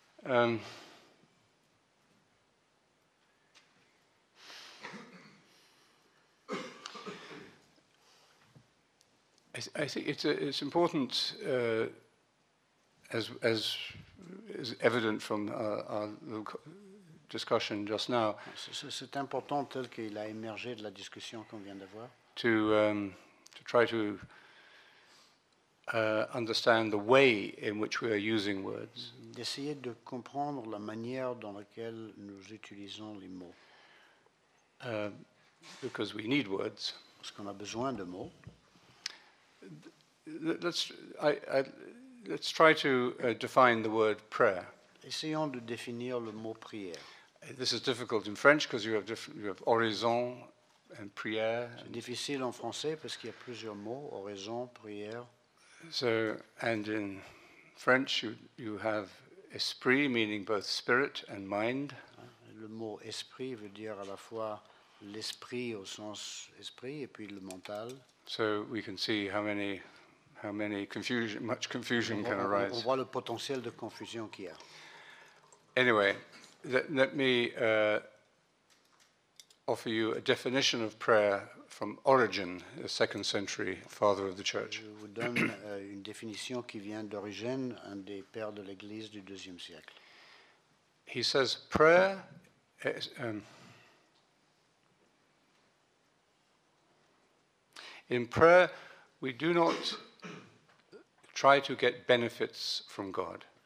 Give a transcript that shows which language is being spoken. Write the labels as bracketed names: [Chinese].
[English] I think it's important, as is evident from our discussion just now. [French] C'est important tel qu'il a émergé de la discussion qu'on vient d'avoir. [English] To try to understand the way in which we are using words. [French] D'essayer de comprendre la manière dans laquelle nous utilisons les mots. [English] Because we need words. [French] Parce qu'on a besoin de mots. [English] Let's try to define the word prayer. [French] Essayons de définir le mot prière. [English] This is difficult in French because you have horizon and prière. [French] C'est difficile en français parce qu'il y a plusieurs mots, horizon, prière. [English] So, and in French you have esprit, meaning both spirit and mind. [French] Le mot esprit veut dire à la fois l'esprit au sens esprit et puis le mental. [English] So we can see how many confusion, much confusion can arise. [French] On voit le potentiel de confusion qu'il y a. [English] Anyway, let me offer you a definition of prayer from Origen, the second century father of the church. [French] Je vous donne une définition qui vient d'Origène, un des pères de l'Église du deuxième siècle. [English] He says, prayer is, in prayer, we do not try to get benefits from God.